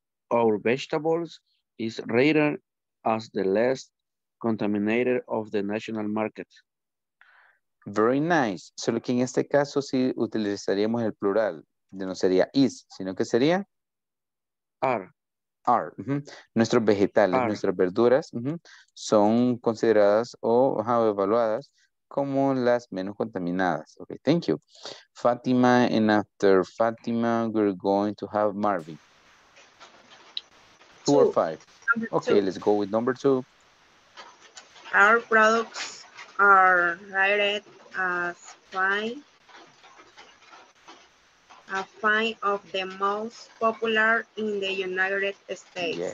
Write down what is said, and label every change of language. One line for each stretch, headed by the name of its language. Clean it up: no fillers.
English: Our vegetables is rated as the least contaminated of the national market. Very nice.
Spanish: Solo que en este caso sí utilizaríamos el plural. No sería is, sino que sería
English: are.
Spanish: Are. Nuestros vegetales, are. Nuestras verduras son consideradas o evaluadas como las menos contaminadas.
English: Okay, thank you. Fátima, and after Fátima, we're going to have Marvin. Two or five? Number okay, two. Let's go with number 2. Our products are rated as five of the most popular in the United States.